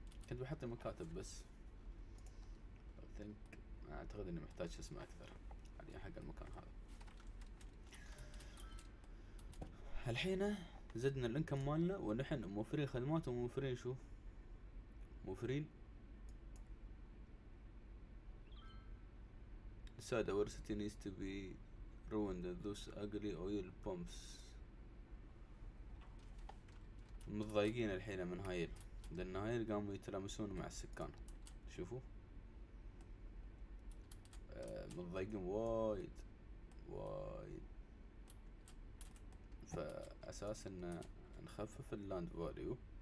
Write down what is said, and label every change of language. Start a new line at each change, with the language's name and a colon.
Arabic: كنت بحط مكاتب بس أعتقد أعتقد إني محتاج اسم أكثر حاليا حق المكان هذا. الحين زدنا الانكم مالنا، ونحن موفرين خدمات وموفرين شو موفرين السادة.
English: Our city needs to be ruined and those ugly oil pumps.
Arabic: متضايقين الحين من هايل، لان هايل قاموا يتلامسون مع السكان، شوفوا متضايقين وايد وايد، فأساس ان نخفف اللاند فاليو.